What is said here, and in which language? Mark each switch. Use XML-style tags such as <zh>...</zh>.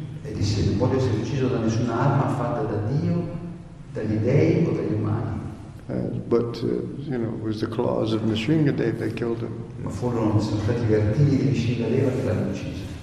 <it>Da nessuna arma fatta da Dio, dagli dei o dagli umani.</it> <en>But you know, it was the claws of Nrisimhadeva that killed him.</en> <it>Ma furono stati gli artigli di Nrisimhadeva che l'hanno ucciso.</it>